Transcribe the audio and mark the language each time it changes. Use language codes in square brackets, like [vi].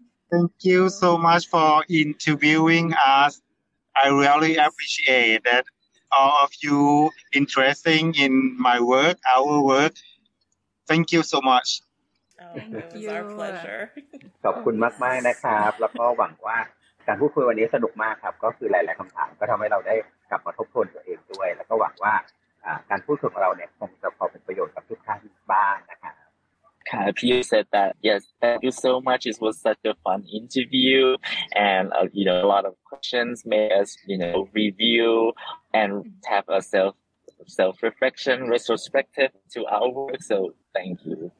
[en] Thank you so much for interviewing us. I really appreciate that all of you interested in my work, our work. Thank you so much. Oh, it was our pleasure. [th] Thank you so much, and I hope that การพูดคุยวันนี้สนุกมากครับก็คือหลายๆคำถามก็ทำให้เราได้กลับมาทบทวนตัวเองด้วยแล้วก็หวังว่าการพูดคุยของเราเนี่ยคงจะพอเป็นประโยชน์กับทุกท่านบ้างนะครับ [en] ค่ะ you said that yes thank you so much it was such a fun interview and you know a lot of questions made us you know review and have a self reflection retrospective to our work so thank you